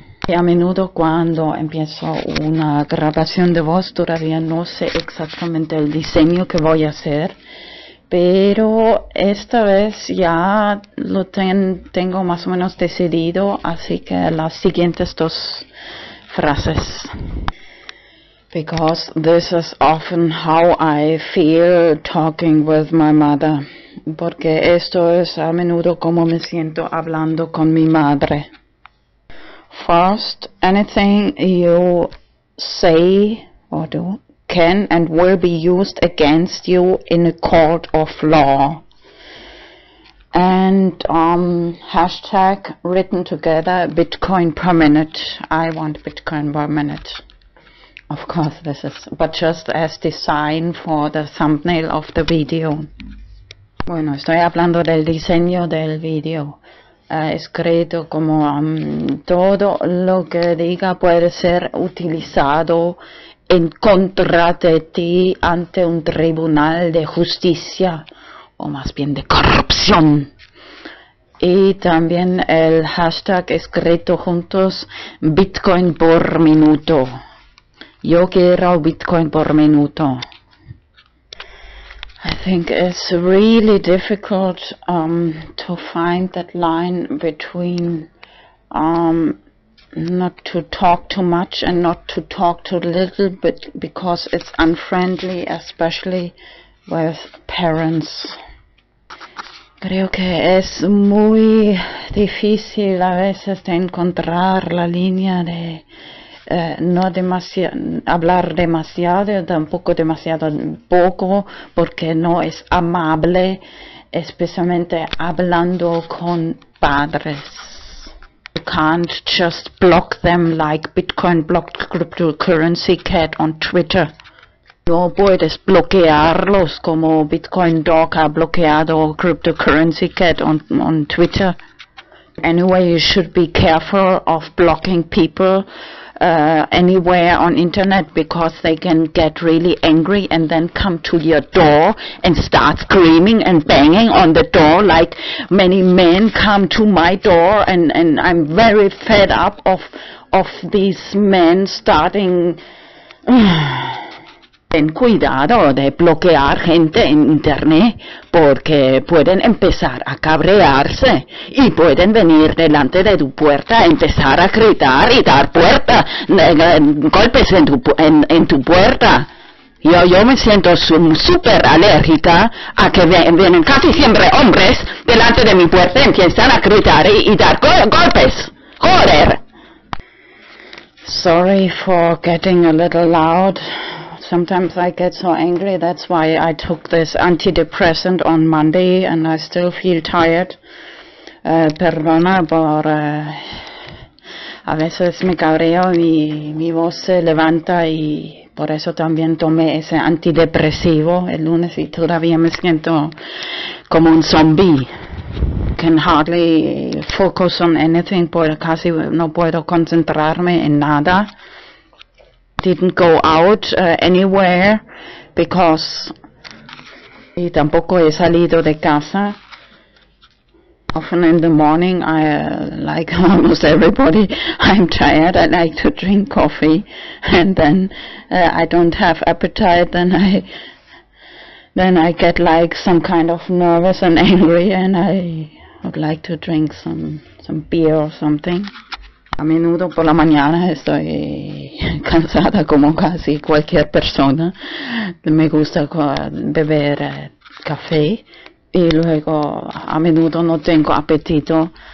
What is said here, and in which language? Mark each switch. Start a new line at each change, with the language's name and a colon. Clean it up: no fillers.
Spanish: Y a menudo cuando empiezo una grabación de voz todavía no sé exactamente el diseño que voy a hacer, pero esta vez ya lo tengo más o menos decidido, así que las siguientes dos frases.
English: Because this is often how I feel talking with my mother.
Spanish: Porque esto es a menudo como me siento hablando con mi madre.
English: First, anything you say or do can and will be used against you in a court of law. And hashtag written together Bitcoin per minute. I want Bitcoin per minute. Of course, this is, but just as design for the thumbnail of the video.
Spanish: Bueno, estoy hablando del diseño del video. Escrito como todo lo que diga puede ser utilizado en contra de ti ante un tribunal de justicia, o más bien de corrupción. Y también el hashtag escrito juntos, Bitcoin por minuto. Yo quiero Bitcoin por minuto.
English: I think it's really difficult to find that line between not to talk too much and not to talk too little, but because it's unfriendly, especially with parents.
Spanish: Creo que es muy difícil a veces de encontrar la línea de no hablar demasiado, tampoco demasiado poco, porque no es amable, especialmente hablando con padres.
English: You can't just block them like Bitcoin blocked cryptocurrency cat on Twitter.
Spanish: No puedes bloquearlos como Bitcoin dog ha bloqueado cryptocurrency cat on Twitter.
English: Anyway, you should be careful of blocking people anywhere on internet, because they can get really angry and then come to your door and start screaming and banging on the door, like many men come to my door, and I'm very fed up of these men starting.
Spanish: Ten cuidado de bloquear gente en internet, porque pueden empezar a cabrearse y pueden venir delante de tu puerta, empezar a gritar y dar puerta, golpes en tu puerta. Yo me siento súper alérgica a que vienen casi siempre hombres delante de mi puerta y empiezan a gritar y dar golpes. ¡Joder!
English: Sorry for getting a little loud. Sometimes I get so angry, that's why I took this antidepressant on Monday, and I still feel tired.
Spanish: Perdona por... a veces me cabreo y mi voz se levanta, y por eso también tomé ese antidepresivo el lunes, y todavía me siento como un zombie.
English: Can hardly focus on anything,
Spanish: porque casi no puedo concentrarme en nada.
English: Didn't go out anywhere because
Spanish: y tampoco he salido de casa.
English: Often in the morning, I like almost everybody, I'm tired, I like to drink coffee, and then I don't have appetite, then I get like some kind of nervous and angry, and I would like to drink some beer or something.
Spanish: A menudo por la mañana estoy cansada como casi cualquier persona. Me gusta beber café y luego a menudo no tengo apetito.